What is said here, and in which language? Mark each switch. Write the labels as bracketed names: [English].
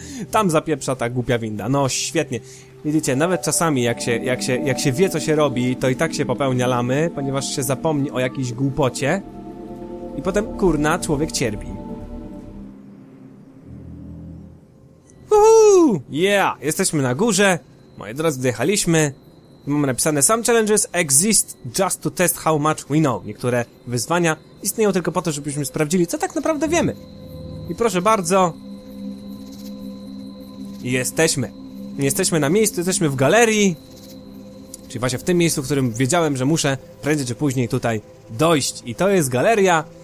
[Polish] Tam zapieprza ta głupia winda. No świetnie. Widzicie, nawet czasami jak się wie, co się robi, to i tak się popełnia lamy, ponieważ się zapomni o jakiejś głupocie i potem, kurna, człowiek cierpi. Uhuu! Yeah! Jesteśmy na górze, moi drodzy, wjechaliśmy. Mamy napisane, [English] some challenges exist just to test how much we know. [Polish] Niektóre wyzwania istnieją tylko po to, żebyśmy sprawdzili, co tak naprawdę wiemy. I proszę bardzo, jesteśmy. Nie jesteśmy na miejscu, jesteśmy w galerii. Czyli właśnie w tym miejscu, w którym wiedziałem, że muszę prędzej czy później tutaj dojść. I to jest galeria.